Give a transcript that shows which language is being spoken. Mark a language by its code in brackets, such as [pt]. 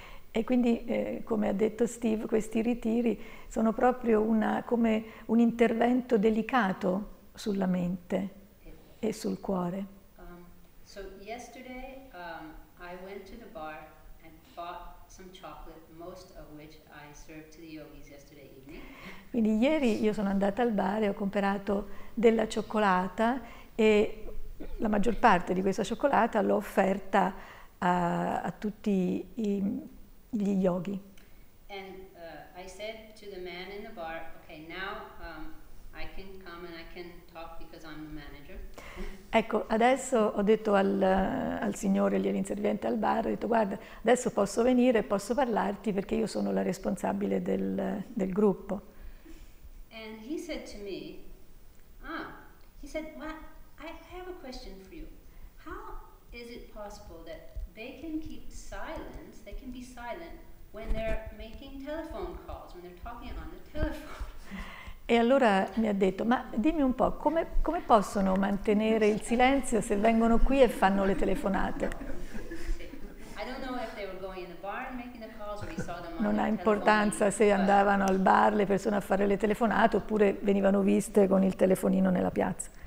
[it] E quindi, come ha detto Steve, questi ritiri sono proprio come un intervento delicato sulla mente e sul cuore. [en] So yesterday I went to the bar and bought some chocolate, most of which I served to the yogis yesterday evening. [it] Quindi ieri io sono andata al bar e ho comprato della cioccolata e la maggior parte di questa cioccolata l'ho offerta a tutti gli yogi. [en] And I said to the man in the bar, okay, now I can come and I can talk because I'm the manager. [it] Ecco, adesso ho detto al signore lì all'inserviente al bar, ho detto guarda, adesso posso venire e posso parlarti perché io sono la responsabile del gruppo. [en] And he said to me, I have a question for you. How is it possible that they can keep silence, they can be silent when they're making telephone calls, when they're talking on the telephone? [it] E allora mi ha detto, ma dimmi un po', come possono mantenere il silenzio se vengono qui e fanno le telefonate? [en] I don't know if they were going in the bar and making the calls or he saw them. [it] non ha importanza se andavano al bar le persone a fare le telefonate oppure venivano viste con il telefonino nella piazza.